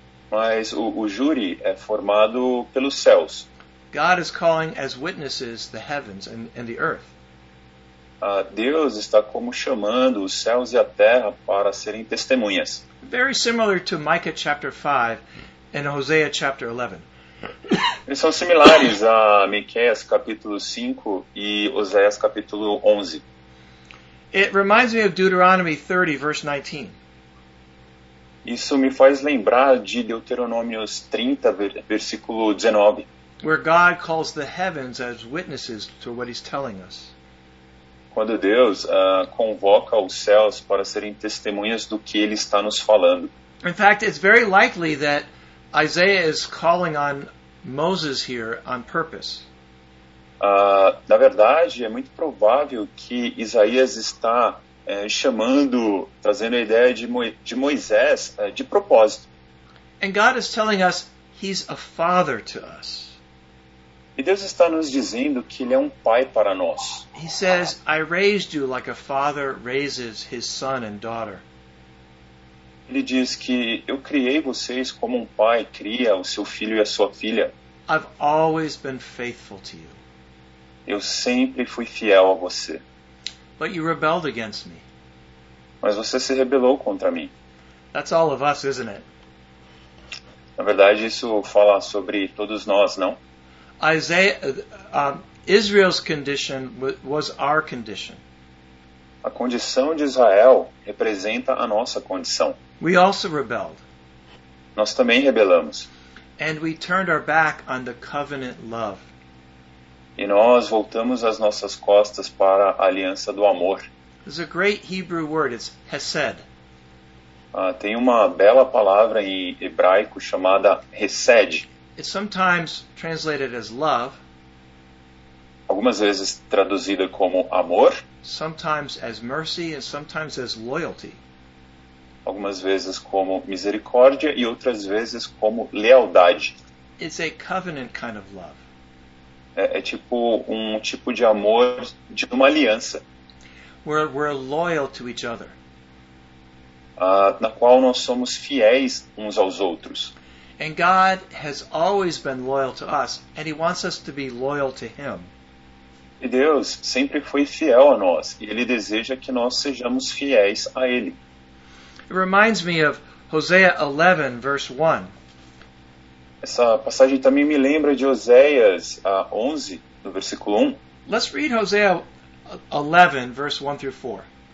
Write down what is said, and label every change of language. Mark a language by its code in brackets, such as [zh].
[pt] Mas o júri é formado pelos céus. [en] God is calling as witnesses the heavens and the earth. [pt] Deus está como chamando os céus e a terra para serem testemunhas. [en] Very similar to Micah chapter 5 and Hosea chapter 11. [pt] Eles são similares a Miqueias capítulo 5 e Oséias capítulo 11. [en] It reminds me of Deuteronomy 30 verse 19. [pt] Isso me faz lembrar de Deuteronômio 30, versículo 19. [en] Where God calls the heavens as witnesses to what he's telling us. [pt] Quando Deus convoca os céus para serem testemunhas do que ele está nos falando. [en] In fact, it's very likely that Isaiah is calling on Moses here on purpose. [pt] Na verdade, é muito provável que Isaías está chamando, trazendo a ideia de Moisés de propósito. [en] And God is telling us he's a father to us. [pt] E Deus está nos dizendo que ele é um pai para nós. [en] He says, I raised you like a father raises his son and daughter. [pt] Ele diz que eu criei vocês como um pai cria o seu filho e a sua filha. [en] I've always been faithful to you. [pt] Eu sempre fui fiel a você. [en] But you rebelled against me. [pt] Mas você se rebelou contra mim. [en] That's all of us, isn't it? [pt] Na verdade, isso fala sobre todos nós, não? [en] Isaiah, Israel's condition was our condition. [pt] A condição de Israel representa a nossa condição. [en] We also rebelled. [pt] Nós também rebelamos. [en] And we turned our back on the covenant love. [pt] E nós voltamos as nossas costas para a aliança do amor. [en] There's a great Hebrew word, it's hesed. [pt] Tem uma bela palavra em hebraico chamada hesed. [en] It's sometimes translated as love. [pt] Algumas vezes traduzida como amor. [en] Sometimes as mercy and sometimes as loyalty. [pt] Algumas vezes como misericórdia e outras vezes como lealdade. [en] It's a covenant kind of love. [pt] É tipo um tipo de amor de uma aliança. [en] We're loyal to each other. [pt] Na qual nós somos fiéis uns aos outros. [en] And God has always been loyal to us, and he wants us to be loyal to him. [pt] E Deus sempre foi fiel a nós, e ele deseja que nós sejamos fiéis a ele. [en] It reminds me of Hosea 11, verse 1. [pt] Essa passagem também me lembra de Oséias 11, no versículo 1. [en] Let's read Hosea 11, verse 1 through 4.